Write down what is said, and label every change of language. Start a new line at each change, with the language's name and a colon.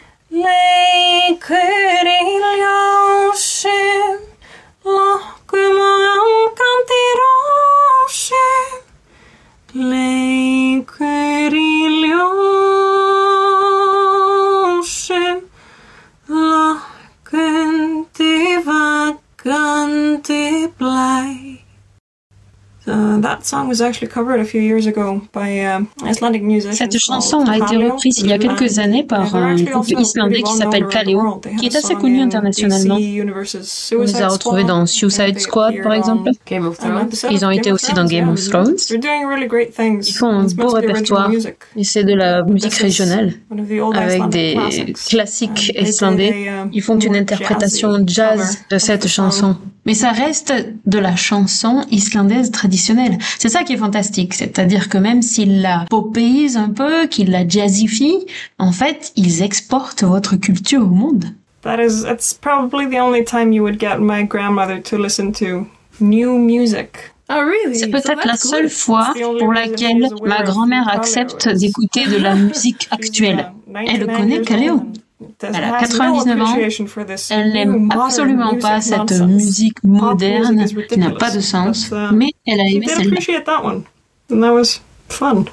Icelandic: Leikur í ljósum, lokkum og angandi rósum.
English: Leikur í ljósum, lokkandi vakandi blæ. So that that song was actually covered a few years ago by Icelandic musicians.
French: Cette chanson a été reprise il y a quelques années par un groupe islandais qui s'appelle Kaleo, qui est assez connu internationalement. On les a retrouvés dans Suicide Squad, par exemple.
English: Game of Thrones.
French: Ils ont été aussi dans Game of Thrones.
English: They're doing really great things.
French: Ils font un beau répertoire. Et c'est de la musique régionale avec des classiques islandais. Ils font une interprétation jazz de cette chanson. Mais ça reste de la chanson islandaise traditionnelle. C'est ça qui est fantastique. C'est-à-dire que même s'ils la popéisent un peu, qu'ils la jazzifient, en fait, ils exportent votre culture au monde.
English: That is, it's probably the only time you would get my grandmother to listen to new music. Oh, really?
French: C'est peut-être
English: so la cool.
French: seule fois pour laquelle ma grand-mère accepte d'écouter de la musique actuelle. Elle connaît Kaleo. Elle a 99 ans, elle n'aime absolument pas cette musique moderne qui n'a pas de sens, mais elle a aimé celle-là.